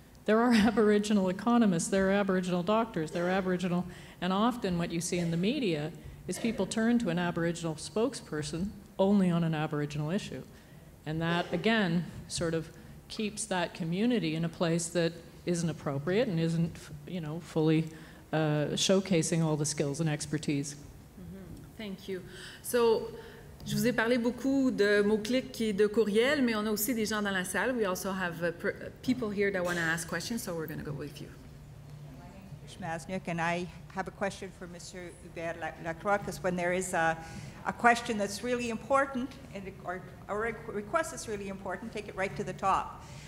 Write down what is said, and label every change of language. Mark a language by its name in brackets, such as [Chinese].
[English] There are Aboriginal economists, there are Aboriginal doctors, there are Aboriginal, and often what you see in the media is people turn to an Aboriginal spokesperson only on an Aboriginal issue. And that, again, sort of keeps that community in a place that isn't appropriate and isn't, you know, fully showcasing all the skills and expertise. Mm-hmm. Thank you. [French] So, je vous ai parlé beaucoup de mots-clics et de courriels, mais on a aussi des gens dans la salle. [English] We also have people here that want to ask questions, so we're going to go with you. And I have a question for Mr. Hubert Lacroix, because when there is a question that's really important, or a request that's really important, take it right to the top.